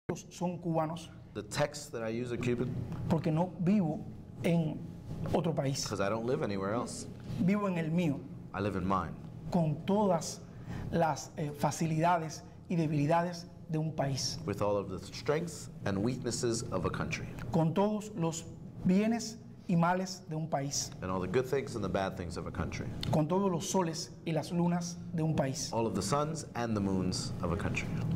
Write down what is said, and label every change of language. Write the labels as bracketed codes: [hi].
[es] Son cubanos. [en] The texts that I use are Cuban. [es] Porque no vivo en otro país. [en] Because I don't live anywhere else. [es] Vivo en el mío. [en] I live in mine. [es] Con todas las facilidades y debilidades de un país. [en] With all of the strengths and weaknesses of a country. [es] Con todos los bienes y males de un país. [en] And all the good things and the bad things of a country. [es] Con todos los soles y las lunas de un país. [en] All of the suns and the moons of a country.